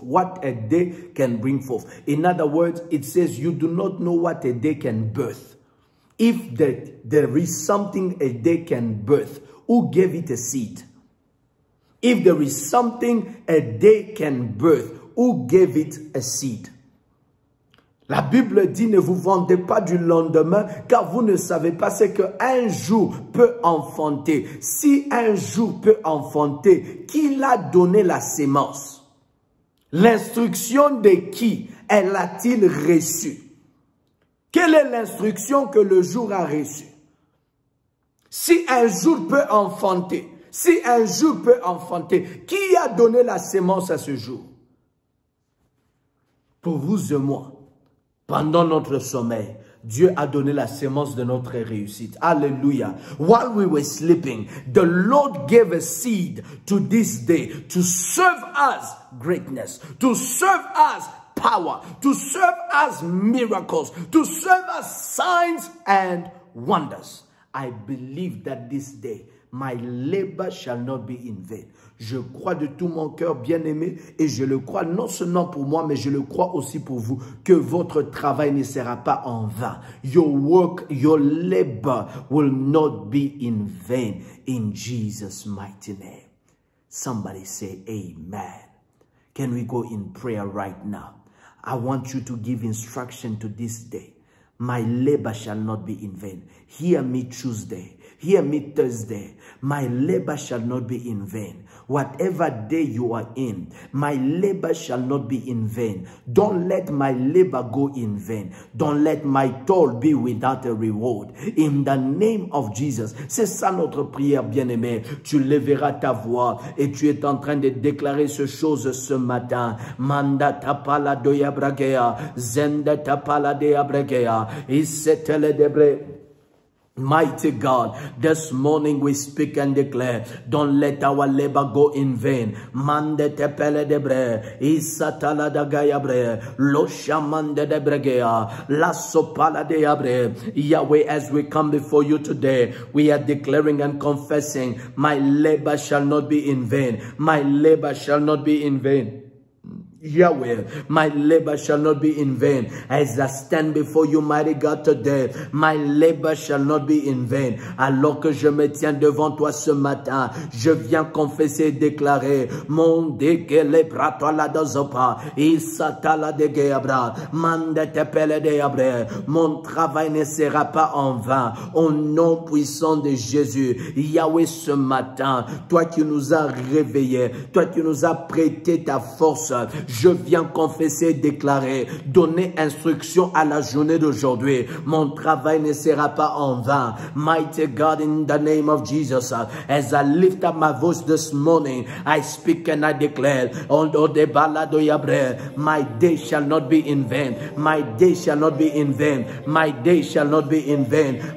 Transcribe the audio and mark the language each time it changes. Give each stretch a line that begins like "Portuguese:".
English: What a day can bring forth. In other words, it says you do not know what a day can birth. If there is something a day can birth, who gave it a seed? If there is something a day can birth, who gave it a seed?
French: La Bible dit, ne vous vantez pas du lendemain, car vous ne savez pas ce qu'un jour peut enfanter. Si un jour peut enfanter, qui l'a donné la semence? L'instruction de qui elle a-t-il reçue? Quelle est l'instruction que le jour a reçue? Si un jour peut enfanter, si un jour peut enfanter, qui a donné la semence à ce jour? Pour vous et moi, pendant notre sommeil, Dieu a donné la semence de notre réussite. Alléluia.
English: While we were sleeping, the Lord gave a seed to this day to serve us greatness, to serve us power, to serve us miracles, to serve us signs and wonders. I believe that this day, my labor shall not be in vain.
French: Je crois de tout mon cœur, bien-aimé, et je le crois non seulement pour moi, mais je le crois aussi pour vous, que votre travail ne sera pas en vain.
English: Your work, your labor will not be in vain. In Jesus' mighty name. Somebody say amen. Can we go in prayer right now? I want you to give instruction to this day. My labor shall not be in vain. Hear me Tuesday. Hear me Thursday. My labor shall not be in vain. Whatever day you are in, my labor shall not be in vain. Don't let my labor go in vain. Don't let my toil be without a reward. In the name of Jesus.
French: C'est ça notre prière, bien-aimé. Tu lèveras ta voix et tu es en train de déclarer ces choses ce matin. Manda tapala doya bragea. Zenda tapala doya bragea. Issetele debre.
English: Mighty God, this morning we speak and declare, don't let our labor go in vain. Mande te pele de bre, isa tala da gaya bre, lo shamande de bregea, la sopala de abre. Yahweh, as we come before you today, we are declaring and confessing, my labor shall not be in vain. My labor shall not be in vain. Yahweh, my labor shall not be in vain. As I stand before you, mighty God, today, my labor shall not be in vain.
French: Alors que je me tiens devant toi ce matin, je viens confesser et déclarer mon dégueulé brato la dozopa, isata la dégueabra, mande te pele deabre, mon travail ne sera pas en vain. Au nom puissant de Jésus, Yahweh, ce matin, toi qui nous as réveillés, toi qui nous as prêté ta force, je viens confesser et déclarer, donner instruction à la journée d'aujourd'hui. Mon travail ne sera pas en vain.
English: Mighty God, in the name of Jesus, as I lift up my voice this morning, I speak and I declare, my day shall not be in vain. My day shall not be in vain. My day shall not be in vain.